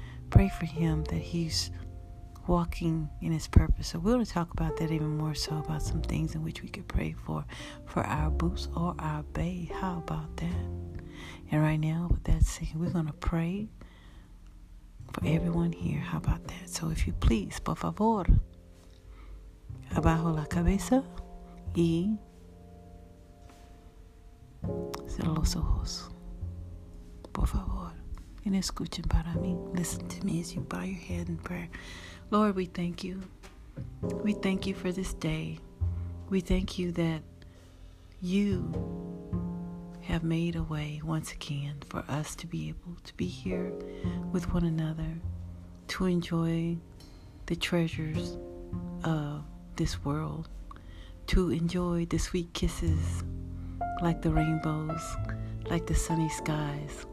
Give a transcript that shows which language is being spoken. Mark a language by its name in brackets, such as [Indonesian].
[English] Pray for him that he's walking in his purpose. So we're going to talk about that even more so, about some things in which we could pray for our boots or our bae. How about that? And right now, with that saying, we're going to pray for everyone here. How about that? So if you please, [Spanish] por favor, abajo la cabeza y cierra los ojos, por favor, and escuchen para mí. [English] Listen to me as you bow your head in prayer. Lord, we thank you. We thank you for this day. We thank you that you have made a way once again for us to be able to be here with one another, to enjoy the treasures of this world, to enjoy the sweet kisses like the rainbows, like the sunny skies.